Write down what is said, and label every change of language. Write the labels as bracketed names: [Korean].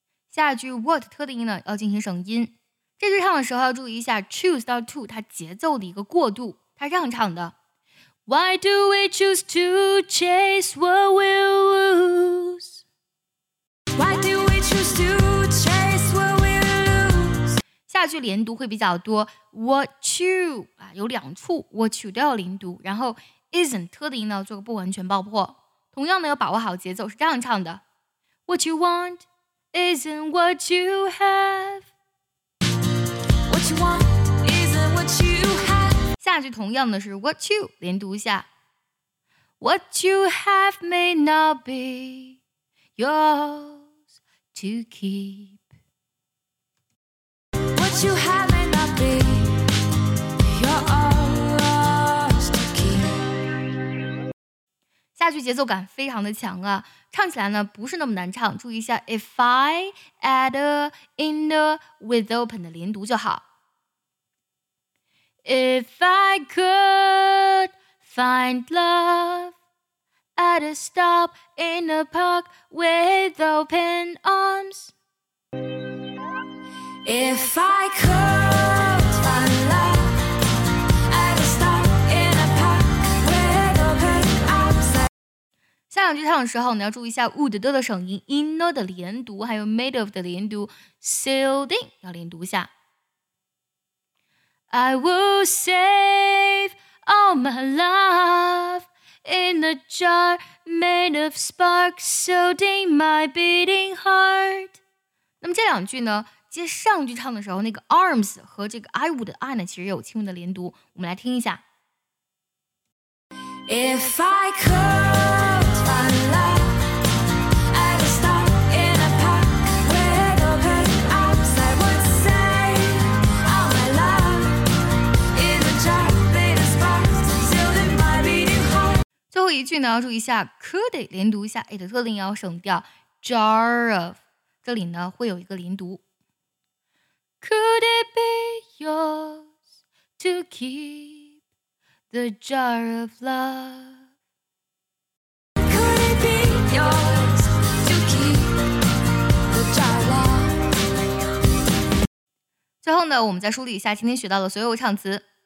[Chinese] 下一句 what 特定音呢要进行省音，这句唱的时候要注意一下 choose 到 to 它节奏的一个过渡，它这样唱的 [English] Why do we choose to chase what we lose? Why do we choose to chase what we lose? [Chinese] 下句连读会比较多 what you、有两处 what you 都要连读，然后 isn't 特定音呢做个不完全爆破，同样呢要把握好节奏，是这样唱的 [English] What you wantIsn't what you have. What you want isn't what you have. [Chinese] 下句同样的是 what you 连读一下 [English] What you have may not be yours to keep. What you have may not be yours to keep. [Chinese] 下去节奏感非常的强啊，唱起来呢不是那么难唱，注意一下 if I add a in the with open 的连读就好。 [English] If I could find love at a stop in a park with open arms. If I could find love at a stop in a park with open arms. [Chinese] 下两句唱的时候你要注意一下 would 的声音， in 的连读，还有 made of 的连读， sealed in 要连读一下。 [English] I will save all my love in a jar made of sparks sealed in my beating heart. [Chinese] 那么这两句呢，接上句唱的时候，那个 arms 和这个 I would 的 I 呢，其实有轻微的连读。我们来听一下。 [English] If I could find love at a stop in a park with open arms, I would save all my love in a jar made of sparks sealed in my beating heart. [Chinese] 最后一句呢，要注意一下 could 连读一下 it 的特定要省掉 jar of，这里呢会有一个连读。 [English] Could it be yours to keep the jar of love? Could it be yours to keep the jar of love? [Chinese] 最后呢，我们再梳理一下今天学到的所有唱词。